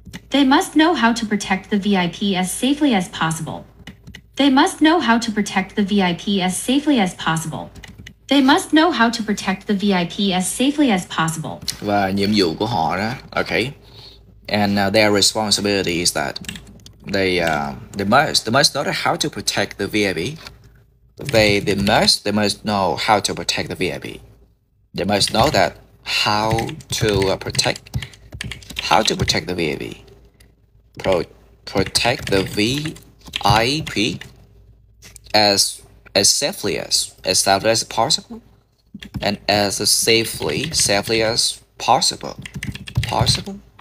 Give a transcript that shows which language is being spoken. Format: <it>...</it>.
<en>They must know how to protect the VIP as safely as possible. They must know how to protect the VIP as safely as possible. They must know how to protect the VIP as safely as possible.</en> <vi>Và nhiệm vụ của họ đó, okay.</vi> <en>And their responsibility is that They must know how to protect the VIP. They must know how to protect the VIP. They must know that how to protect the VIP. Protect the VIP as safely as possible, and as safely as possible.</en>